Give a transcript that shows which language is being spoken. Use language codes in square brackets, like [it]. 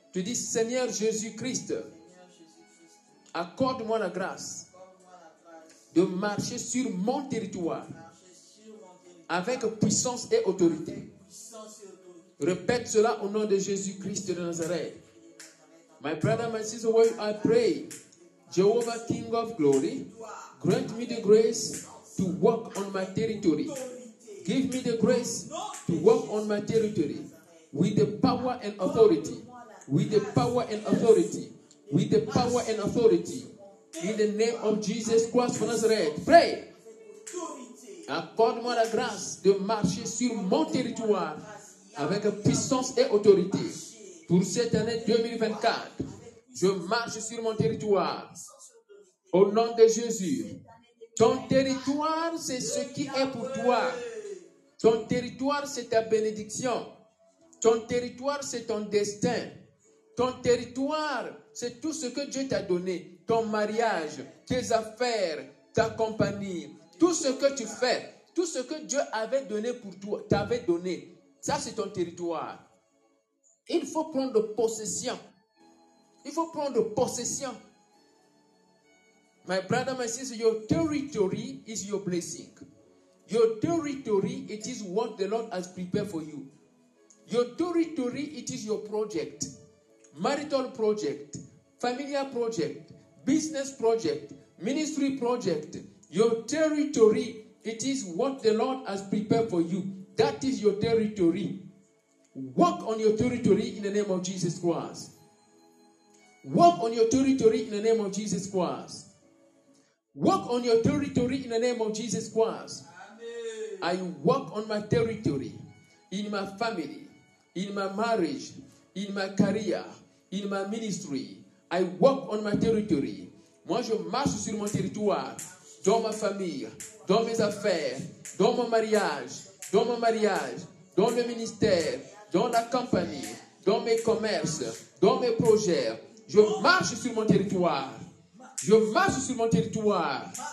[fr] Tu dis Seigneur Jésus-Christ, accorde-moi la grâce de marcher sur mon territoire avec puissance et autorité. Répète cela au nom de Jésus-Christ de Nazareth. [en] My brother, my sister, where I pray, Jehovah King of Glory, grant me the grace to walk on my territory. Give me the grace to walk on my territory with the power and authority. With the power and authority. With the power and authority. In the name of Jesus Christ of Nazareth. Pray. [fr] Accorde-moi la grâce de marcher sur mon territoire avec puissance et autorité. Pour cette année 2024, je marche sur mon territoire. Au nom de Jésus. Ton territoire, c'est ce qui est pour toi. Ton territoire, c'est ta bénédiction. Ton territoire, c'est ton destin. Ton territoire, c'est tout ce que Dieu t'a donné. Ton mariage, tes affaires, ta compagnie, tout ce que tu fais, tout ce que Dieu avait donné pour toi, t'avait donné. Ça, c'est ton territoire. Il faut prendre possession. Il faut prendre possession. [en] My brother, my sister, your territory is your blessing. Your territory, it is what the Lord has prepared for you. Your territory, it is your project. Marital project, familial project, business project, ministry project. Your territory, it is what the Lord has prepared for you. That is your territory. Walk on your territory in the name of Jesus Christ. Walk on your territory in the name of Jesus Christ. Walk on your territory in the name of Jesus Christ. Amen. I walk on my territory, in my family, in my marriage, in my career, in my ministry. I walk on my territory. [fr] Moi, je marche sur mon territoire, dans ma famille, dans mes affaires, dans mon mariage, dans mon mariage, dans le ministère, dans la compagnie, dans mes commerces, dans mes projets. Je marche sur mon territoire. Je marche sur mon territoire.